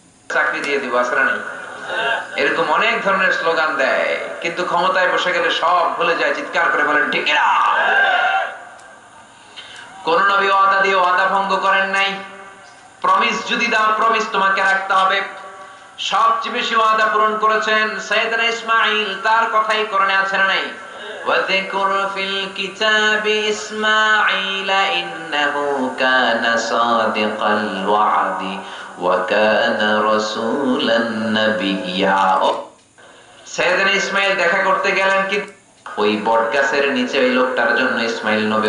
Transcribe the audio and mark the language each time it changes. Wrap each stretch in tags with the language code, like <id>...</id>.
<bn>চাকরি দিয়ে দিব আসরানি, এরকম অনেক ধরনের স্লোগান দেয়, কিন্তু ক্ষমতায় বসে গেলে সব ভুলে যায়, চিৎকার করে বলেন ঠিক না। কোন নবী ওয়াদা দিয়ে ওয়াদা ভঙ্গ করেন নাই, প্রমিস যদি দাও প্রমিস তোমাকে রাখতে হবে। সবচেয়ে বেশি ওয়াদা পূরণ করেছেন সাইয়েদনা ইসমাইল, তার কথাই করণে আছে না নাই।</bn> <ar>وذكر في الكتاب إسماعيل إنه كان صادق الوعد وكان رسولا نبيا।</ar> <bn>সাইয়েদনা ইসমাইল দেখা করতে গেলেন কি ওই বট গাছের নিচে, ওই লোকটার জন্য ইসমাইল নবী।</bn>